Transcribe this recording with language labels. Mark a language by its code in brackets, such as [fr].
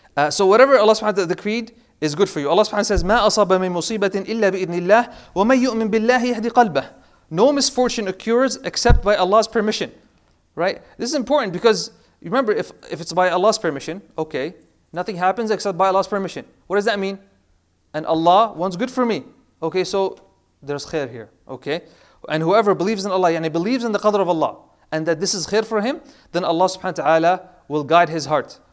[en] So whatever Allah subhanahu wa ta'ala decreed is good for you. Allah subhanahu wa ta'ala says, [ar] مَا أَصَابَ مِن مُصِيبَةٍ إِلَّا بِإِذْنِ اللَّهِ وَمَن يُؤْمِن بِاللَّهِ يَهْدِ قَلْبَهِ. [en] No misfortune occurs except by Allah's permission. Right? This is important because, remember, if it's by Allah's permission, okay, nothing happens except by Allah's permission. What does that mean? And Allah wants good for me. Okay, so there's khair here. Okay, and whoever believes in Allah, yani believes in the qadr of Allah, and that this is khair for him, then Allah subhanahu wa ta'ala will guide his heart.